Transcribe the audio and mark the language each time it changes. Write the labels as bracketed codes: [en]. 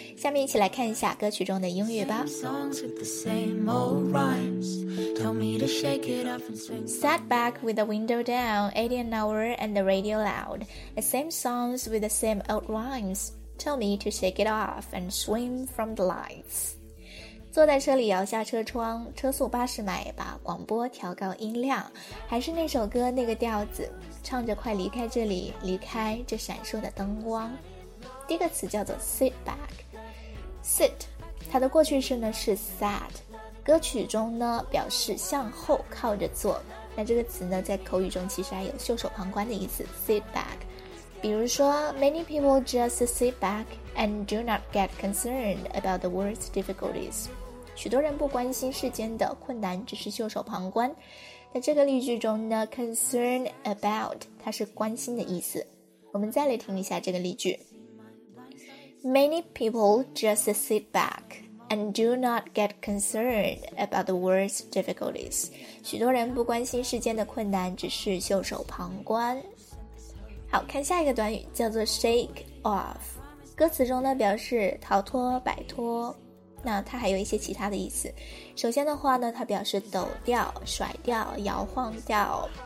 [zh] 下面一起来看一下歌曲中的英语吧。 [en] Sat back with the window down, 80 an hour and the radio loud. The same songs with the same old rhymes. Tell me to shake it off and swim from the lights. [zh] 坐在车里摇下车窗，车速80迈，把广播调高音量。还是那首歌那个调子，唱着快离开这里，离开这闪烁的灯光。第一个词叫做 sit back， sit， 它的过去式呢是 sat， 歌曲中呢表示向后靠着坐。那这个词呢在口语中其实还有袖手旁观的意思， sit back。比如说 [en] many people just sit back and do not get concerned about the world's difficulties， [zh] 许多人不关心世间的困难，只是袖手旁观。在这个例句中呢 concern about 它是关心的意思。我们再来听一下这个例句。 [en] Many people just sit back and do not get concerned about the world's difficulties. [zh] 许多人不关心世间的困难，只是袖手旁观。好，看下一个短语，叫做 shake off。歌词中呢表示逃脱、摆脱，那它还有一些其他的意思。首先的话呢，它表示抖掉、甩掉、摇晃掉。